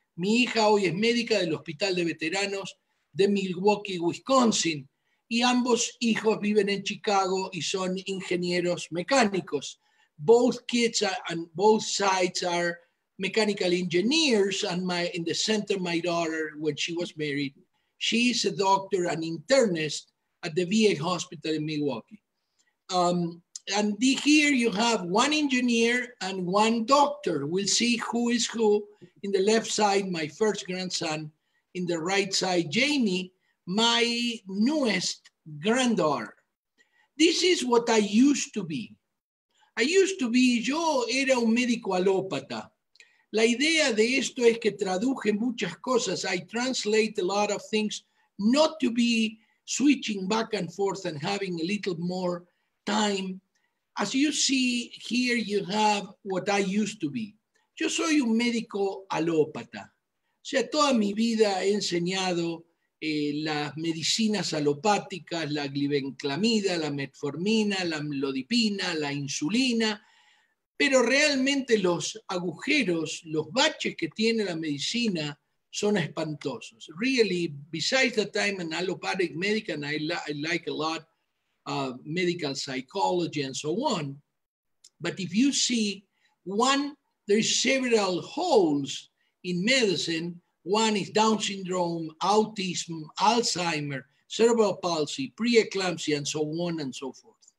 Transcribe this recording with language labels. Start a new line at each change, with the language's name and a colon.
Spanish: Mi hija hoy es médica del Hospital de Veteranos de Milwaukee, Wisconsin, y ambos hijos viven en Chicago y son ingenieros mecánicos.
English: Both kids and both sides are mechanical engineers, and in the center, my daughter, when she was married, she is a doctor and internist at the VA hospital in Milwaukee. And here you have one engineer and one doctor. We'll see who is who. In the left side, my first grandson. In the right side, Jamie, my newest granddaughter. This is what I used to be.
Spanish: Yo era un médico alópata. La idea de esto es que traduje muchas cosas.
English: I translate a lot of things, not to be switching back and forth and having a little more time. As you see here, you have what I used to be.
Spanish: Yo soy un médico alópata. O sea, toda mi vida he enseñado las medicinas alopáticas, la glibenclamida, la metformina, la amlodipina, la insulina, pero realmente los agujeros, los baches que tiene la medicina son espantosos.
English: Really, besides that I'm an allopathic medic and I like a lot medical psychology and so on, but if you see one, there's several holes in medicine. One is Down syndrome, autism, Alzheimer, cerebral palsy, preeclampsia, and so on and so forth.